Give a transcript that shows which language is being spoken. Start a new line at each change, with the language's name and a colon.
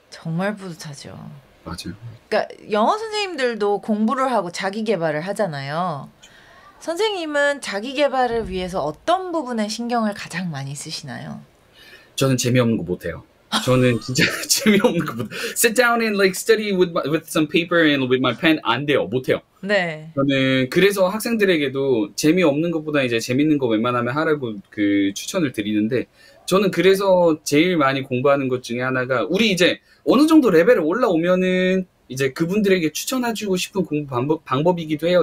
Korean: 정말 뿌듯하죠. 맞아요. 그러니까 영어 선생님들도 공부를 하고 자기 개발을 하잖아요. 선생님은 자기 개발을 위해서 어떤 부분에 신경을 가장 많이 쓰시나요? 저는 재미없는 거 못해요. 저는 진짜 재미없는 거 못해요.
English: Sit down and like study with some paper and with my pen.
Korean: 안 돼요. 못해요. 네. 저는 그래서 학생들에게도 재미없는 것보다 이제 재밌는 거 웬만하면 하라고 그 추천을 드리는데 저는 그래서 제일 많이 공부하는 것 중에 하나가 우리 이제 어느 정도 레벨을 올라오면은 이제 그분들에게 추천해주고 싶은 공부 방법이기도 해요.